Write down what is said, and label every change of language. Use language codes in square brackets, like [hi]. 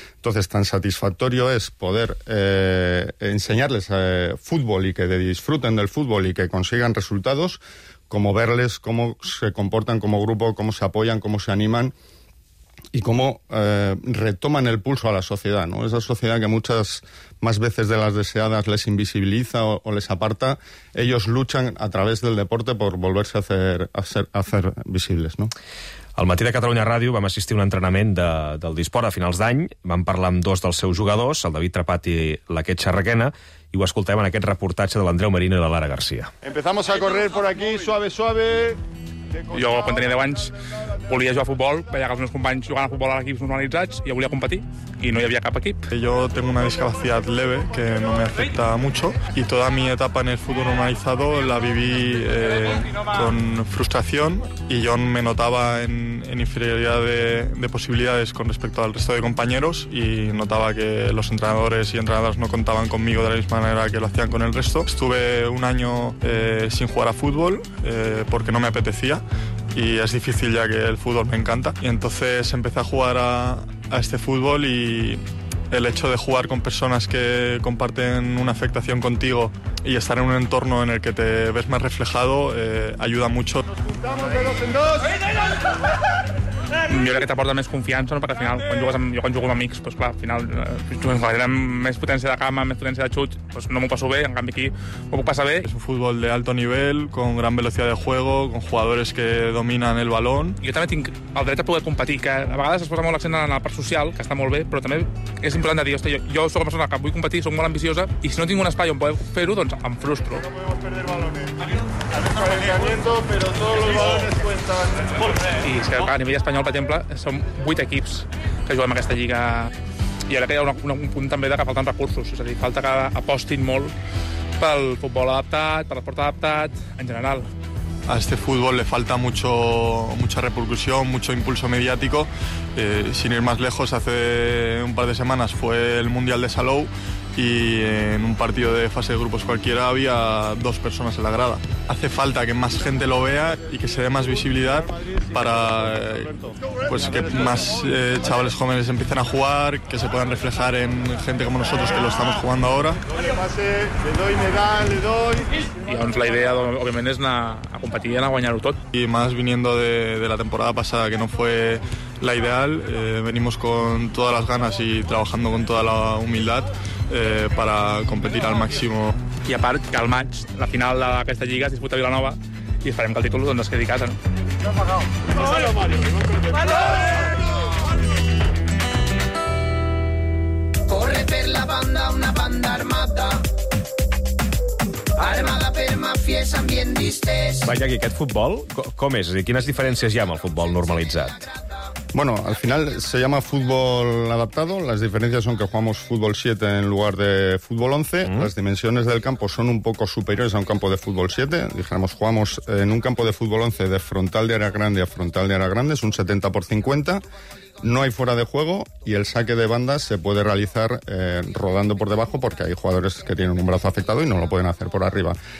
[es] Entonces, tan satisfactorio es poder enseñarles fútbol y que disfruten del fútbol y que consigan resultados, como verles cómo se comportan como grupo, cómo se apoyan, cómo se animan y cómo retoman el pulso a la sociedad, ¿no? Esa sociedad que muchas más veces de las deseadas les invisibiliza o les aparta, ellos luchan a través del deporte por volverse a hacer visibles, ¿no? [ca] Al matí de Catalunya Ràdio vam assistir a un entrenament del Disport a finals d'any. Vam parlar amb dos dels seus jugadors, el David Trepat i l'Aquet Charraquena, [es] y lo escuchamos en aquel reportaje de Andreu Merino y la Lara García. Empezamos a correr por aquí, suave, suave. Yo, cuando tenía 10 años, [ca] volía [es] jugar a fútbol, veía que los [ca] meus companys [es] jugaban a fútbol a equipos normalizados y yo volía competir, y no había [ca] cap equip. [es] Yo tengo una discapacidad leve que no me afecta mucho y toda mi etapa en el fútbol normalizado la viví con frustración y yo me notaba en inferioridad de posibilidades con respecto al resto de compañeros y notaba que los entrenadores y entrenadoras no contaban conmigo de la misma manera que lo hacían con el resto. Estuve un año sin jugar a fútbol porque no me apetecía y es difícil ya que el fútbol me encanta. Y entonces empecé a jugar a este fútbol y el hecho de jugar con personas que comparten una afectación contigo y estar en un entorno en el que te ves más reflejado ayuda mucho. [ca] Jo crec que t'aporta més confiança, no? Perquè al final, quan jugo amb amics, doncs clar, al final, amb més potència de cama, més potència de xut, doncs no m'ho passo bé, en canvi aquí m'ho puc passar bé. [es] És un futbol de alto nivell, con gran velocidad de juego, con jugadores que dominan el balón. [ca] Jo també tinc el dret a poder competir, que a vegades es posa molt l'accent en la part social, que està molt bé, però també és important de dir, hosti, jo soc una persona que vull competir, soc molt ambiciosa, i si no tinc un espai on poder fer-ho, doncs em frustro. [es] No podemos perder balones. El calentamiento, pero todos los balones cuentan. [ca] I a nivell espanyol, per exemple, som 8 equips que juguem aquesta lliga I ara que hi ha un punt també de que falten recursos, és a dir, falta que apostin molt pel futbol adaptat, per l'esport adaptat, en general. [es] A este fútbol le falta mucha repercusión, mucho impulso mediático. Sin ir más lejos, hace un par de semanas fue el Mundial de Salou y en un partido de fase de grupos cualquiera había dos personas en la grada. Hace falta que más gente lo vea y que se dé más visibilidad para pues, que más chavales jóvenes empiecen a jugar, que se puedan reflejar en gente como nosotros que lo estamos jugando ahora. Y aún la idea obviamente es a competir y a ganarlo todo. Y más viniendo de la temporada pasada, que no fue la ideal, venimos con todas las ganas y trabajando con toda la humildad para competir al máximo. [ca] I a part, que el maig, la final d'aquesta lliga es disputa a Vilanova i esperem que el títol doncs es quedi a casa. Corre per la banda una banda armada. Armada per mafies ambientistes. Vaja, i aquest futbol, com és? Quines diferències hi ha amb el futbol normalitzat? [es] Bueno, al final se llama fútbol adaptado. Las diferencias son que jugamos fútbol 7 en lugar de fútbol 11. Mm. Las dimensiones del campo son un poco superiores a un campo de fútbol 7. Dijéramos, jugamos en un campo de fútbol 11 de frontal de área grande a frontal de área grande. Es un 70 por 50. No hay fuera de juego y el saque de banda se puede realizar rodando por debajo porque hay jugadores que tienen un brazo afectado y no lo pueden hacer por arriba.